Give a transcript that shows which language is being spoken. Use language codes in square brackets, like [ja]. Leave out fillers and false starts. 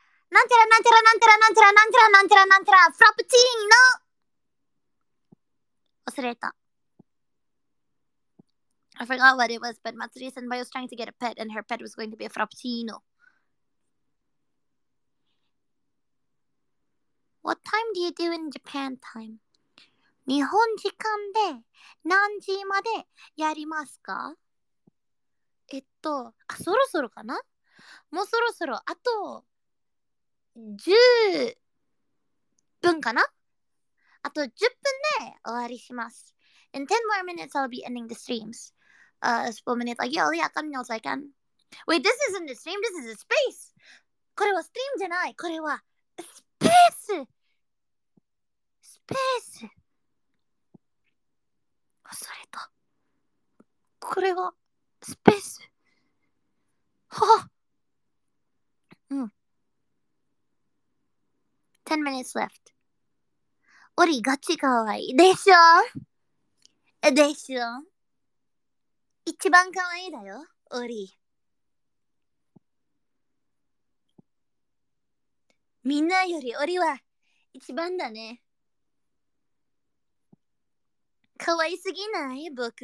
[ja] なんちゃらなんちゃらなんちゃらなんちゃらなんちゃらなんちゃらなんちゃら、フラプチーノ。忘れた。 [en] I forgot what it was, but Matsuri Senpai was trying to get a pet, and her pet was going to be a frappuccino. What time do you do in Japan time? [ja] 日本時間で何時までやりますか？あ、そろそろかな？もうそろそろ、あと10分かな？あと10分で終わりします。 [en] In 10 more minutes, I'll be ending the streams. 10 minutes, like, yo, yeah, come in all I can. Wait, this isn't a stream, this is a space! [ja] これはストリームじゃない、これはスペース！スペース！それとこれはスペースはっ [en] 10 minutes left [ja] オリガチかわいいでしょでしょ一番かわいいだよオリみんなよりオリは一番だねかわいすぎない僕。